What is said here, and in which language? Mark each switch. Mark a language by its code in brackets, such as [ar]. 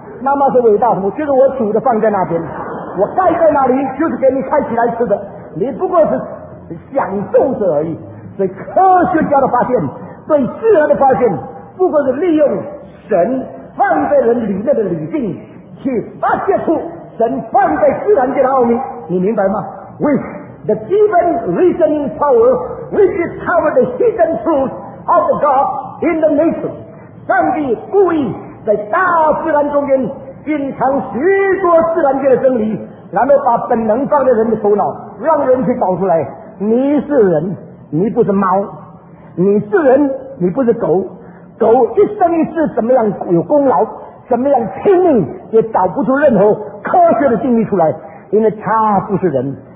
[zh] 妈妈说伟大，我觉得我煮的放在那边，我盖在那里就是给你看起来吃的，你不过是享受者而已。所以科学家的发现，对自然的发现，不过是利用神放在人里面的理性去发现出神放在自然界的奥秘，你明白吗？ [en] With the given reasoning power we discover the hidden truth of God in the nature. [zh] 上帝故意在大自然中间隐藏许多自然界的真理，然后把本能放在人的头脑，让人去找出来。你是人，你不是猫；你是人，你不是狗。狗一生一世怎么样有功劳，怎么样拼命，也找不出任何科学的定义出来，因为它不是人。